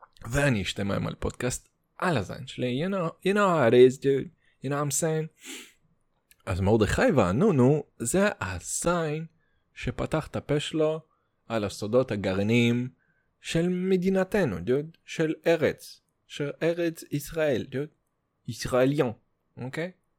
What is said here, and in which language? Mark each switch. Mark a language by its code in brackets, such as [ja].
[he] ואני אשתה מהם על פודקאסט על הזין שלי. [en] You know how it is, dude. You know what I'm saying? [he] אז מרדכי ואנונו זה הזין שפתח את הפה שלו על הסודות הגרעיניים של מדינתנו, דוד. של ארץ. של ארץ ישראל, דוד. ישראליון, אוקיי?